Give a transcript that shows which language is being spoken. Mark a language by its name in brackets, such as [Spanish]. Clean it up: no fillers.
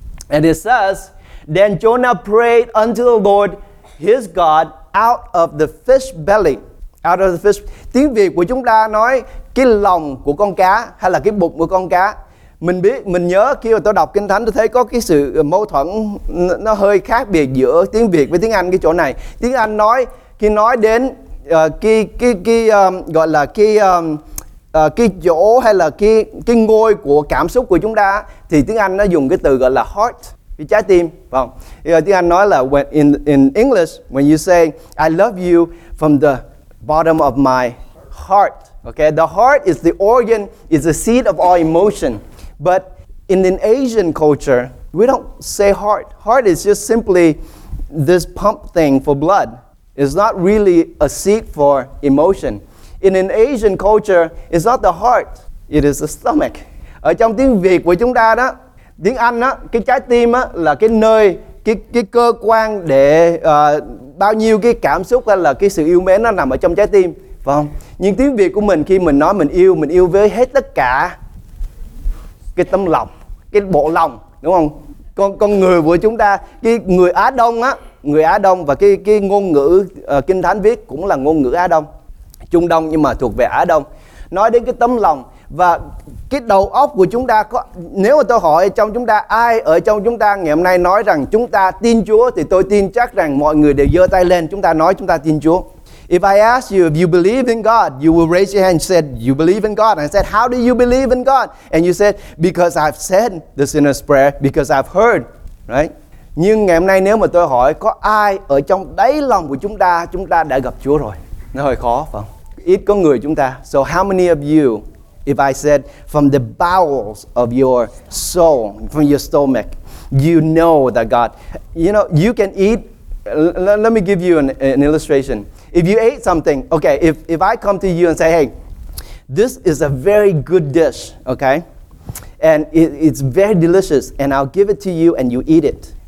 [English] And it says, then Jonah prayed unto the Lord his God out of the fish belly. Out of the fish. [Vietnamese] Tiếng Việt của chúng ta nói cái lòng của con cá hay là cái bụng của con cá. Mình biết, mình nhớ khi mà tôi đọc Kinh Thánh, tôi thấy có cái sự mâu thuẫn, nó hơi khác biệt giữa tiếng Việt với tiếng Anh cái chỗ này. Tiếng Anh nói, khi nói đến cái chỗ hay là cái ngôi của cảm xúc của chúng ta, thì tiếng Anh nó dùng cái từ gọi là heart, cái trái tim, phải không? Tiếng Anh nói là [English] in English, when you say I love you from the bottom of my heart. Okay, the heart is the organ, is the seat of all emotion. But in an Asian culture, we don't say heart. Heart is just simply this pump thing for blood. It's not really a seat for emotion. In an Asian culture, it's not the heart, it is the stomach. [Vietnamese] Ở trong tiếng Việt của chúng ta đó, tiếng Anh đó, cái trái tim á là cái nơi, cái cơ quan để bao nhiêu cái cảm xúc hay là cái sự yêu mến nó nằm ở trong trái tim, phải không? Nhưng tiếng Việt của mình, khi mình nói mình yêu với hết tất cả cái tâm lòng, cái bộ lòng, đúng không? Con người của chúng ta, cái người Á Đông á, người Á Đông, và cái ngôn ngữ Kinh Thánh viết cũng là ngôn ngữ Á Đông, Trung Đông nhưng mà thuộc về Á Đông, nói đến cái tâm lòng và cái đầu óc của chúng ta. Có, nếu mà tôi hỏi trong chúng ta, ai ở trong chúng ta ngày hôm nay nói rằng chúng ta tin Chúa, thì tôi tin chắc rằng mọi người đều giơ tay lên, chúng ta nói chúng ta tin Chúa. [English] If I ask you if you believe in God, you will raise your hand and said you believe in God. I said, how do you believe in God? And you said, because I've said the sinner's prayer, because I've heard, right? [Vietnamese] Nhưng ngày hôm nay nếu mà tôi hỏi có ai ở trong đáy lòng của chúng ta đã gặp Chúa rồi, nó hơi khó, phải không? Ít có người chúng ta. [English] So how many of you, if I said from the bowels of your soul, from your stomach, you know that God, you know, you can eat. Let me give you an illustration. If you ate something, okay, if I come to you and say, hey, this is a very good dish, okay, and it's very delicious, and I'll give it to you and you eat it.